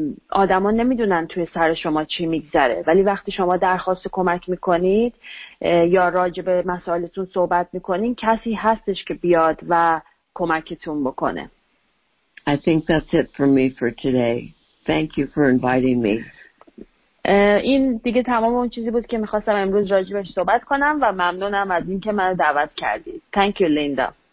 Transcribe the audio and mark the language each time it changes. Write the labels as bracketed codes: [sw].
[fa] آدما نمیدونن توی سر شما چی میگذره، ولی وقتی شما درخواست کمک میکنید یا راجع به مسائلتون صحبت میکنید، کسی هستش که بیاد و کمکتون بکنه. [en] I think that's it for me for today. Thank you for inviting me. [fa] این دیگه تمام اون چیزی بود که میخواستم امروز راجبش صحبت کنم و ممنونم از این که منو دعوت کردید. [en] Thank you, Linda.